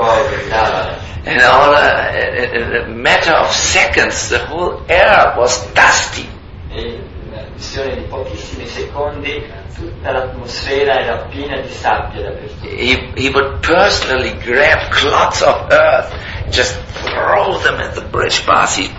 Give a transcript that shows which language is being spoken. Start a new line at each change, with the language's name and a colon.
English: And all in a matter of seconds, the whole air was dusty.
Italian: In una questione di pochissimi secondi, tutta l'atmosfera era piena di sabbia dappertutto.
English: He would personally grab clots of earth, just throw them at the bridge pass.